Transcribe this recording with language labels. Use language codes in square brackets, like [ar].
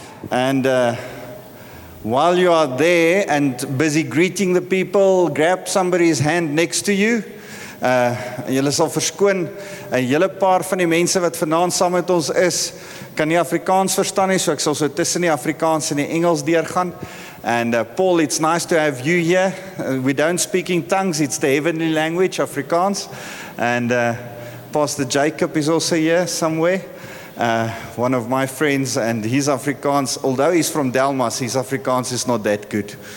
[en] And while you are there and busy greeting the people, grab somebody's hand next to you. [af] Julle sal verskoon. 'N Hele paar van die mense wat vanaand saam met ons is, kan nie Afrikaans verstaan nie, so ek sal so tussen die Afrikaans en die Engels deurgaan. [en] And Paul, it's nice to have you here. We don't speak in tongues, it's the heavenly language, Afrikaans. And Pastor Jacob is also here somewhere. One of my friends, and he's Afrikaans, although he's from Delmas, his Afrikaans is not that good.